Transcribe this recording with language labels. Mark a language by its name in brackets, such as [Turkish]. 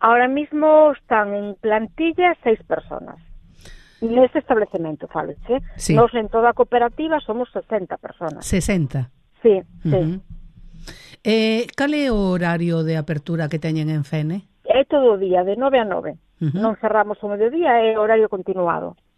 [Spanish] Ahora mismo están en plantilla 6 personas. [Galician] Neste establecemento, falo, che? Sí. Nos en toda a cooperativa somos 60 personas. 60? Sí, sí. Cal é o horario de apertura que teñen en FENE? É todo o día, de 9 a 9. Non cerramos o mediodía, é horario continuado.